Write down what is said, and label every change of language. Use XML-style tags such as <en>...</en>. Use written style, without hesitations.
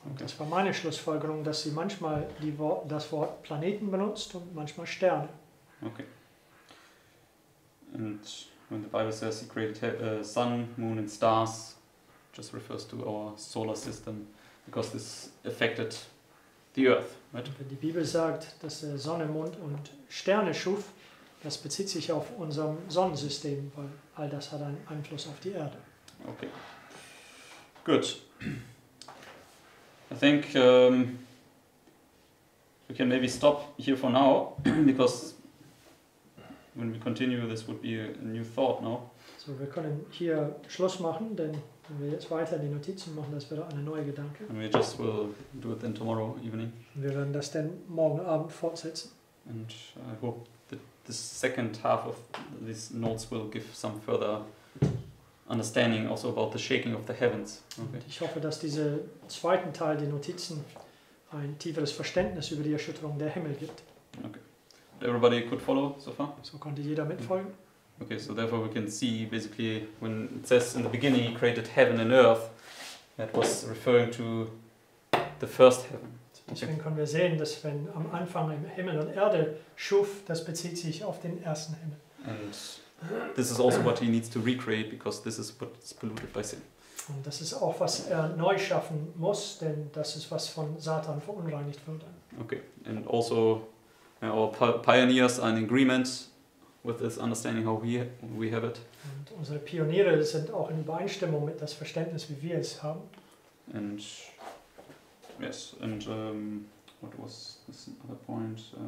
<en>Okay.</en> <de>Das war meine Schlussfolgerung, dass sie manchmal das Wort Planeten benutzt und manchmal Sterne.</de> <en>Okay. And when the Bible says he created sun, moon and stars, just refers to our solar system, because this affected the earth. Right?</en> <de>Wenn die Bibel sagt, dass er Sonne, Mond und Sterne schuf, das bezieht sich auf unser Sonnensystem, weil all das hat einen Einfluss auf die Erde.</de> <en>Okay. Good. I think we can maybe stop here for now, because when we continue, this would be a new thought now.</en> <de>So wir können hier Schluss machen, denn wenn wir jetzt weiter die Notizen machen, das wäre eine neue Gedanke.</de> <en>And we just will do it then tomorrow evening.</en> <de>Und wir werden das dann morgen Abend fortsetzen.</de> <en>And I hope the second half of these notes will give some further understanding also about the shaking of the heavens. Okay.</en> <de>Ich hoffe, dass dieser zweiten Teil der Notizen ein tieferes Verständnis über die Erschütterung der Himmel gibt.</de> <en>Okay. Everybody could follow so far?</en> <de>So konnte jeder mitfolgen.</de> <en>Okay, so therefore we can see basically when it says in the beginning he created heaven and earth, that was referring to the first heaven.</en> <de>Deswegen können wir sehen, dass wenn am Anfang Himmel und Erde schuf, das bezieht sich auf den ersten Himmel.</de> <en>And this is also what he needs to recreate, because this is what is polluted by sin.</en> <de>Und das ist auch, was er neu schaffen muss, denn das ist, was von Satan verunreinigt wurde.</de> <en>Okay, and also our pioneers are in agreement with this understanding how we have it.</en> <de>Und unsere Pioniere sind auch in Übereinstimmung mit das Verständnis, wie wir es haben.</de> <en>And yes, and what was this other point?</en>